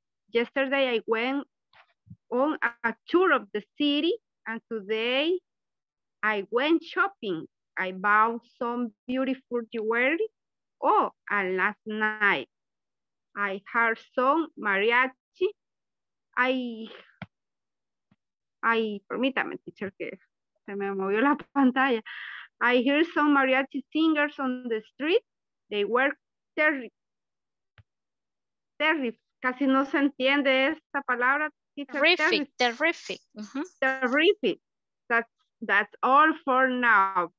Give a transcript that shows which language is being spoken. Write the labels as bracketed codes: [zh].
[en] Yesterday I went on a tour of the city and today I went shopping. I bought some beautiful jewelry. Oh, and last night I heard some mariachi. [es] Permítame, teacher, que se me movió la pantalla. [en] I hear some mariachi singers on the street. They were terrific. [es] Casi no se entiende esta palabra. [en] Terrific. Terrific. That's all for now.